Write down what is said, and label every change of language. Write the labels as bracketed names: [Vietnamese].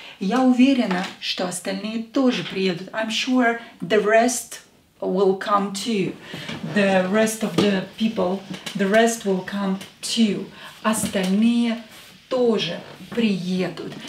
[Russian] Я уверена, что остальные тоже приедут. [English] I'm sure the rest will come too. The rest of the people, the rest will come too. [Russian] Остальные тоже приедут.